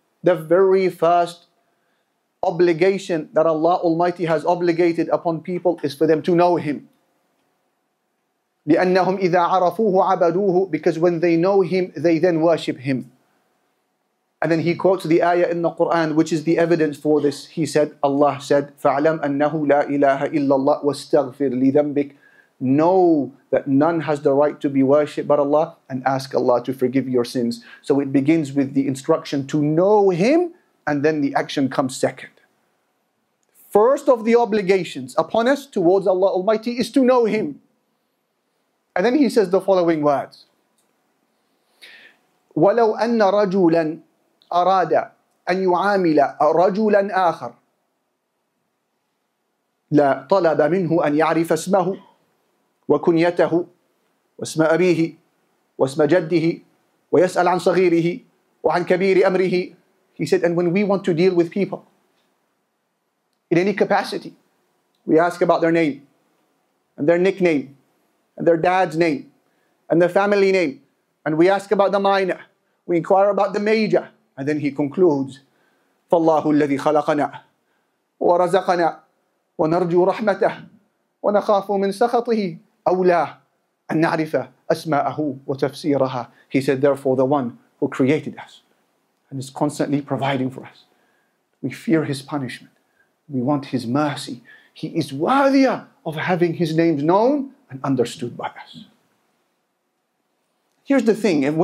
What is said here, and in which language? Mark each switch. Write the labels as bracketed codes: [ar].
[en] The very first obligation that Allah Almighty has obligated upon people is for them to know Him. [ar] لِأَنَّهُمْ إِذَا عَرَفُوهُ عَبَدُوهُ. [en] Because when they know Him, they then worship Him. And then he quotes the ayah in the Quran, which is the evidence for this. He said, Allah said, [ar] فَعْلَمْ أَنَّهُ لَا إِلَٰهَ إِلَّا اللَّهُ وَاسْتَغْفِرْ لِذَنْبِكَ. [en] Know that none has the right to be worshipped but Allah, and ask Allah to forgive your sins. So it begins with the instruction to know Him, and then the action comes second. First of the obligations upon us towards Allah Almighty is to know Him. And then he says the following words. [ar] وَلَوْ أَنَّ رَجُولًا أراد أن يعامل رجلا آخر لا طلب منه أن يعرف اسمه وكنيته واسم أبيه واسم جده ويسأل عن صغيره وعن كبير أمره. [en] He said, and when we want to deal with people in any capacity, we ask about their name and their nickname and their dad's name and their family name, and we ask about the minor, we inquire about the major. And then he concludes, [ar] فَاللَّهُ الَّذِي خَلَقَنَا وَرَزَقَنَا وَنَرْجُو رَحْمَتَهُ وَنَخَافُ مِن سَخَطِهِ أَوْلَى أَن نَعْرِفَ أَسْمَاءَهُ وَتَفْسِيرَهَا. [en] He said, therefore, the one who created us and is constantly providing for us, we fear his punishment, we want his mercy. He is worthy of having his names known and understood by us. Here's the thing.